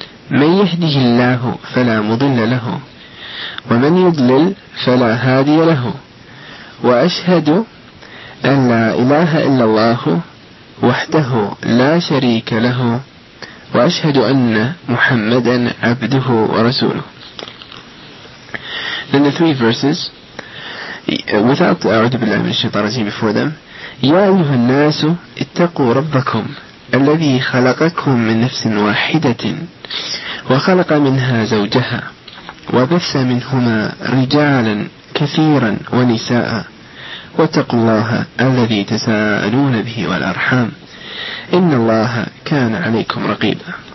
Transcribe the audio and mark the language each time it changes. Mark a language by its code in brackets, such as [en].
[ar] من يهده الله فلا مضل له ومن يضلل فلا هادي له وأشهد أن لا إله إلا الله وحده لا شريك له وأشهد أن محمدا عبده ورسوله. [en] Then the three verses without [ar] أعوذ بالله من الشيطان الرجيم [en] before them. [ar] يا أيها الناس اتقوا ربكم الذي خلقكم من نفس واحدة وخلق منها زوجها وبث منهما رجالا كثيرا ونساء واتقوا الله الذي تساءلون به والأرحام إن الله كان عليكم رقيبا.